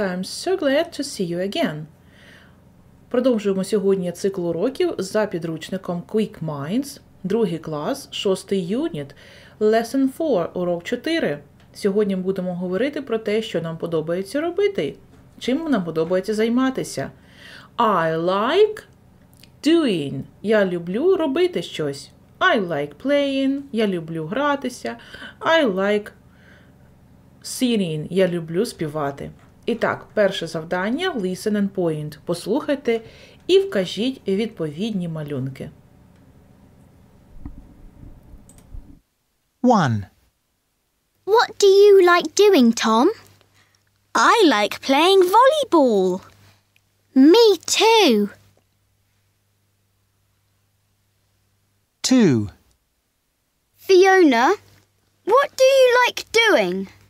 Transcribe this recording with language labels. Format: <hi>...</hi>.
<en>I'm so glad to see you again.</en> <uk>Продовжуємо сьогодні цикл уроків за підручником Quick Minds, другий клас, шостий юніт, Lesson 4, урок 4. Сьогодні будемо говорити про те, що нам подобається робити, чим нам подобається займатися.</uk> <en>I like doing.</en> <uk>Я люблю робити щось.</uk> <en>I like playing.</en> <uk>Я люблю гратися.</uk> <en>I like singing.</en> <uk>Я люблю співати. І так, перше завдання –</uk> <en>listen and point.</en> <uk>Послухайте і вкажіть відповідні малюнки. 1.</uk> <en>What do you like doing, Tom? I like playing volleyball. Me too. 2. Fiona, what do you like doing?</en>